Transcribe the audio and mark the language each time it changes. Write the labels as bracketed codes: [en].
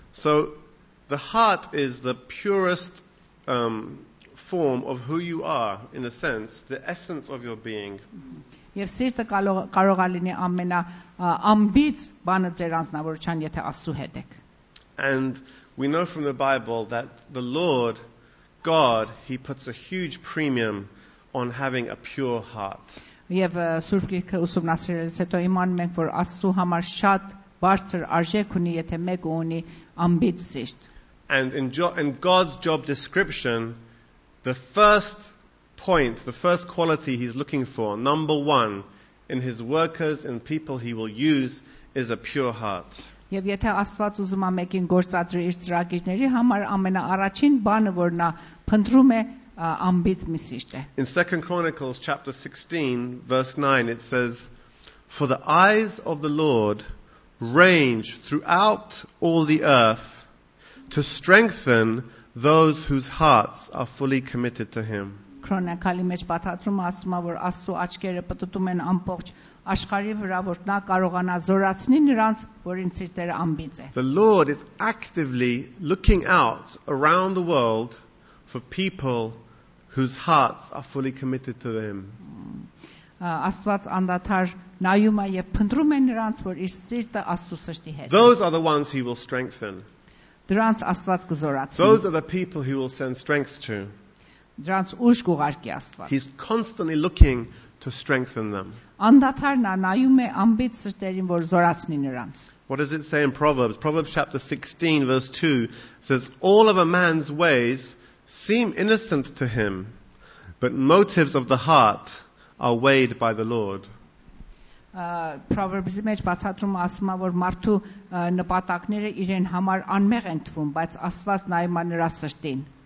[en] So the heart is the purest form of who you are, in a sense, the essence of your being. [hy] Եվ սիրտը կարող է լինի ամենաամբից բանը ձեր անձնավորության, եթե Աստծու հետ եք. [en] And we know from the Bible that the Lord God, he puts a huge premium on having a pure heart. [hy] Եվ Սուրբ Գիրքը ուսումնասիրելիս հետո իմանում ենք, որ Աստծու համար շատ բարձր արժեք ունի, եթե մեկը ունի ամբից սիրտ. [en] And in God's job description, the first point, the first quality he's looking for, number one, in his workers and people he will use, is a pure heart. [hy] Եվ եթե Աստված ուզում է մեկին գործածրի իր ծրագիրների համար, ամենաառաջին բանը, որ նա փնտրում է, ամբից մի սիրտ է. [en] In 2 Chronicles chapter 16, verse 9, it says, "For the eyes of the Lord range throughout all the earth to strengthen those whose hearts are fully committed to him." [hy] Քրոնիկալի մեջ պատահում է ասում, որ Աստծո աչքերը պտտում են ամբողջ աշխարհի վրա, որ նա կարողանա զորացնի նրանց, որին սիրտերը ամբից է. [en] The Lord is actively looking out around the world for people whose hearts are fully committed to him. [hy] Աստված անդադար նայում է եւ փնտրում է նրանց, որ իր սիրտը Աստծո սրտի հետ է. [en] Those are the ones he will strengthen. [hy] Դրանց Աստված կզորացնի. [en] Those are the people he will send strength to. [hy] Դրանց ուժ կուղարկի Աստված. [en] He's constantly looking to strengthen them. [hy] Անդադար նա նայում է ամբիծ սրտերին, որ զորացնի նրանց. [en] What does it say in Proverbs? Proverbs chapter 16 verse 2 says, "All of a man's ways seem innocent to him, but motives of the heart are weighed by the Lord." [hy] Proverbs-ի մեջ բացատրումը ասում է, որ մարդու նպատակները իրեն համար անմեղ են թվում, բայց Աստված նայում է նրա սրտին.